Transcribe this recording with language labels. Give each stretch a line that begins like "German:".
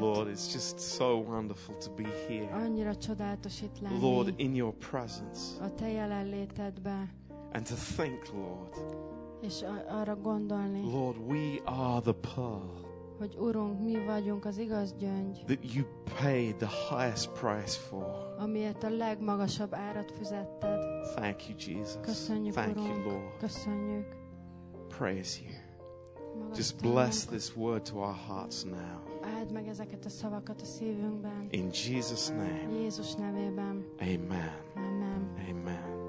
English: Lord, it's just so wonderful to be here.
Hungarian: Annyira csodálatos itt lenni.
English: Lord, in your presence.
Hungarian: A te jelenlétedbe.
English: And to think, Lord.
Hungarian: És arra gondolni.
English: Lord, we are the pearl.
Hungarian: Hogy Urunk, mi vagyunk az igaz gyöngy.
English: That you paid the highest price for.
Hungarian: Amiért a legmagasabb árat fizetted.
English: Thank you, Jesus.
Hungarian: Köszönjük,
English: Thank
Hungarian: Urunk.
English: You, Lord.
Hungarian: Köszönjük.
English: Praise you. Just bless this word to our hearts now.
Hungarian: Add meg ezeket a szavakat a szívünkben.
English: In Jesus' name.
Hungarian: Jézus nevében. Amen. Amen. Amen.